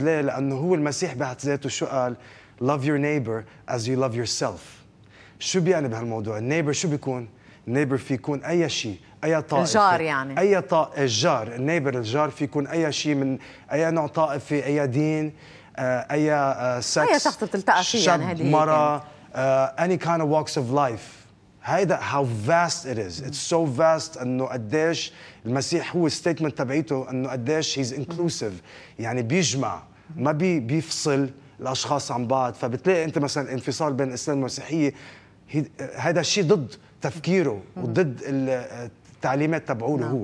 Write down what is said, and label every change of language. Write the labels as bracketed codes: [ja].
[ar] ليه؟ لأنه هو المسيح بحث ذاته شو قال، [en] love your neighbor as you love yourself. [ar] شو بيعني بهالموضوع neighbor؟ شو بيكون neighbor؟ في يكون أي شيء، اي طائفة، الجار يعني، اي طائفة، الجار، النيبر، الجار، في يكون اي شيء من اي نوع طائفة، اي دين، اي سكس، اي شخص بتلتقى فيه يعني، هذه مرة، [en] any kind of walks of life. [ar] هيدا [en] how vast it is. It's so vast [ar] انه قديش المسيح هو statement تبعيته انه قديش [en] he's inclusive. [ar] يعني بيجمع، ما بيفصل الاشخاص عن بعض. فبتلاقي انت مثلا انفصال بين الاسلام والمسيحية، هيدا الشيء ضد تفكيره وضد التعليمات تبعوله.